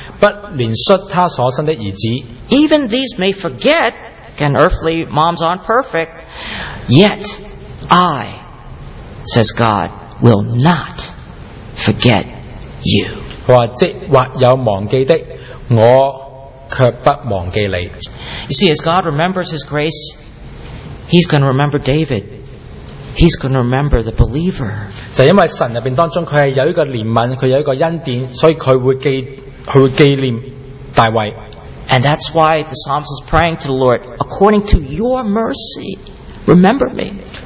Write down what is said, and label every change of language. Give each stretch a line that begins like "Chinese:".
Chinese: 好像在以赛亚书第49章第15节说的话，妇人焉能忘记她吃奶的婴孩，不怜恤她所生的儿子。
English: Even these may forget, and earthly moms aren't perfect, yet I, says God, will not forget you.
Chinese: 或即或有忘记的，我却不忘记你。
English: You see, as God remembers His grace, He's going to remember David. He's going to remember the believer.
Chinese: 就因为神里面当中，祂是有一个怜悯，祂有一个恩典，所以祂会纪念大卫。
English: And that's why the psalmist is praying to the Lord, according to your mercy, remember me.